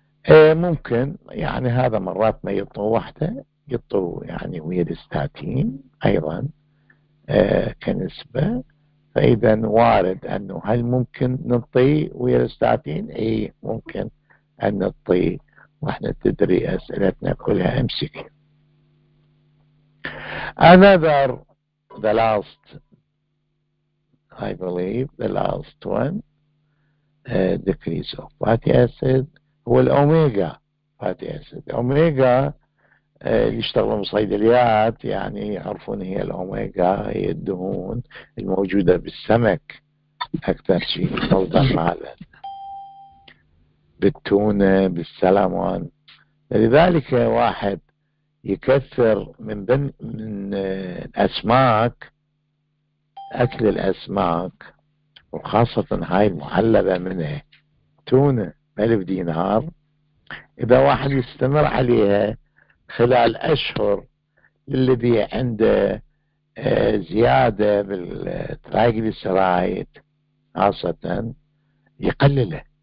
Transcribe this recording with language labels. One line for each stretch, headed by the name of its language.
Arabic: ممكن يعني هذا مرات ما يطو وحده، يطو يعني ويا الاستاتين ايضا كنسبه. فاذا وارد انه هل ممكن نطي ويا الاستاتين؟ اي ممكن ان نطي، واحنا تدري اسئلتنا كلها ام سي كيو.
English: Another, the last, I believe, the last one, decrease of fatty acid,
Arabic: هو الأوميجا
English: fatty acid.
Arabic: أوميجا اللي يشتغلون بصيدليات يعني يعرفون هي الأوميجا، هي الدهون الموجودة بالسمك أكثر شيء، مصدر مالها بالتونة بالسلمون. لذلك واحد يكثر من الأسماك، أكل الأسماك وخاصة هاي المعلبة منها تونة بألف دينار، إذا واحد يستمر عليها خلال أشهر الذي عنده زيادة بالترايجليسرايد خاصة يقلله.